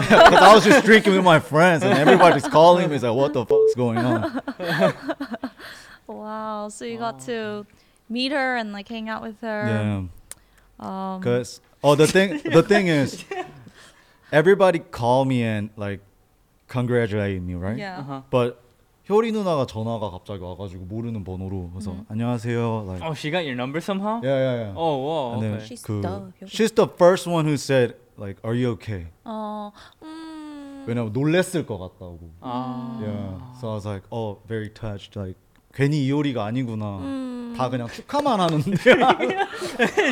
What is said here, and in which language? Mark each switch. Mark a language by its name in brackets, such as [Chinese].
[English] Because I was just drinking with my friends and everybody's calling me. It's like, what the fuck's going on? Wow. So you got to meet her and like hang out with her. Yeah. Because, the thing is, everybody called me and like congratulated me, right? Yeah. Uh-huh. [Korean] But 효리 누나가 전화가 갑자기 와가지고 모르는 번호로 그래서 안녕하세요. [English] Like, oh, she got your number somehow? Yeah, yeah, yeah. Oh, wow. Okay. She's the first one who said, like, are you okay? [Korean] Because 놀랬을 것 같다고. Yeah. [English] So I was like, oh, very touched. Like, [Korean] 괜히 이효리가 아니구나. 다 그냥 축하만 하는데.